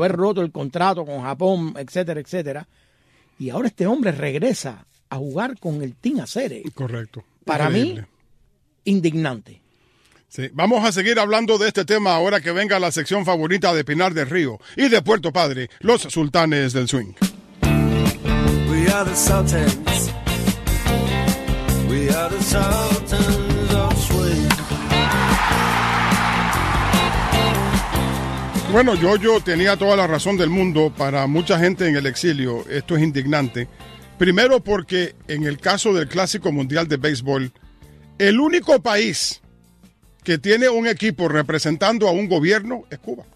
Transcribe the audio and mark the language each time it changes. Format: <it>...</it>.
<es>Por haber roto el contrato con Japón, etcétera, etcétera. Y ahora este hombre regresa a jugar con el Team Acere. Correcto. Para Increíble. Mí, indignante. Sí. Vamos a seguir hablando de este tema ahora que venga la sección favorita de Pinar del Río y de Puerto Padre, los Sultanes del Swing.</es> <en>We are the Sultans. We are the Sultans of Swing.</en> <es>Bueno, Yo-Yo tenía toda la razón del mundo. Para mucha gente en el exilio, esto es indignante. Primero porque en el caso del Clásico Mundial de Béisbol, el único país que tiene un equipo representando a un gobierno es Cuba.</es>